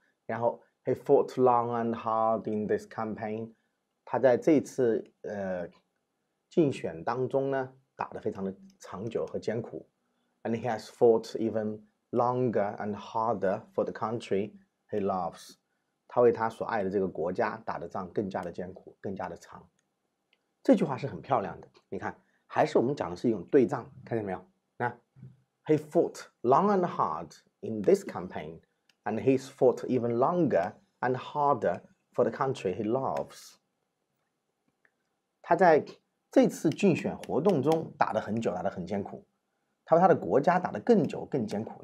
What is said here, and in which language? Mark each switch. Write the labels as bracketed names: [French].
[Chinese] 然后 [English] he fought long and hard in this campaign， [Chinese] 他在这次竞选当中呢打得非常的长久和艰苦。 [English] And he has fought even longer and harder for the country he loves， [Chinese] 他为他所爱的这个国家打的仗更加的艰苦，更加的长。这句话是很漂亮的，你看，还是我们讲的是一种对仗，看见没有？那 [English] ，He fought long and hard in this campaign, and he's fought even longer and harder for the country he loves. [Chinese] 他在这次竞选活动中打得很久，打得很艰苦，他为他的国家打得更久、更艰苦。